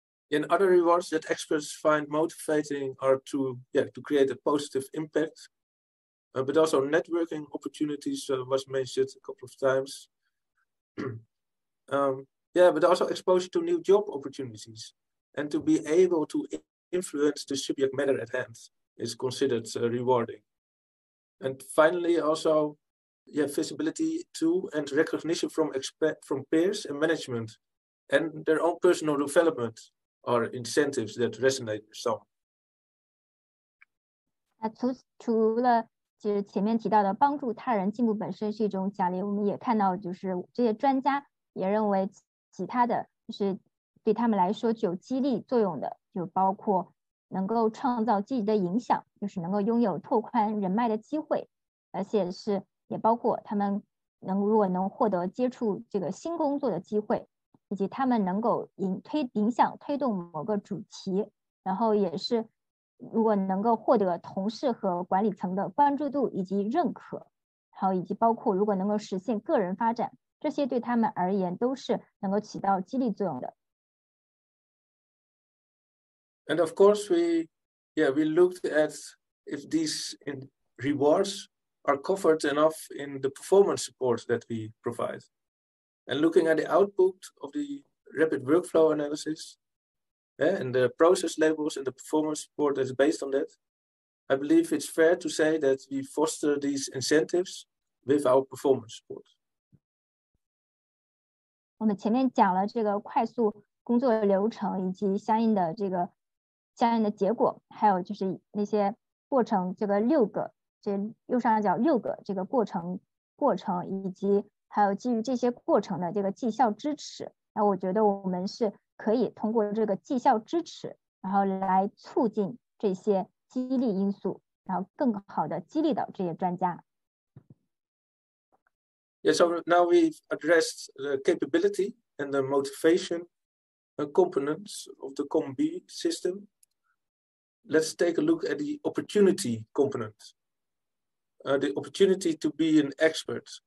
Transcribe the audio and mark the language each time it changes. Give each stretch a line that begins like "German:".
English: And other rewards that experts find motivating are to create a positive impact, but also networking opportunities was mentioned a couple of times. but also exposure to new job opportunities and to be able to influence the subject matter at hand is considered rewarding. And finally, also, visibility too and recognition from peers and management and their own personal development. Are incentives that resonate with some.
Chinese: 除了就是前面提到的帮助他人进步本身是一种奖励，我们也看到就是这些专家也认为其他的就是对他们来说具有激励作用的，就包括能够创造积极的影响，就是能够拥有拓宽人脉的机会，而且是也包括他们如果能获得接触这个新工作的机会。以及他们能够推动某个主题，然后也是如果能够获得同事和管理层的关注度以及认可，然后以及包括如果能够实现个人发展，这些对他们而言都是能够起到激励作用的。
English: And of course, we looked at if these rewards are covered enough in the performance support that we provide. And looking at the output of the rapid workflow analysis, and the process labels and the performance report that's based on that, I believe it's fair to say that we foster these incentives with our performance report.
Chinese: 我们前面讲了这个快速工作流程以及相应的结果，还有就是那些过程这个六个，这右上角六个这个过程以及。还有基于这些过程的这个绩效支持，那我觉得我们是可以通过这个绩效支持，然后来促进这些激励因素，然后更好的激励到这些专家。
English: Yeah, so now we've addressed the capability and the motivation components of the COMB system. Let's take a look at the opportunity component, the opportunity to be an expert.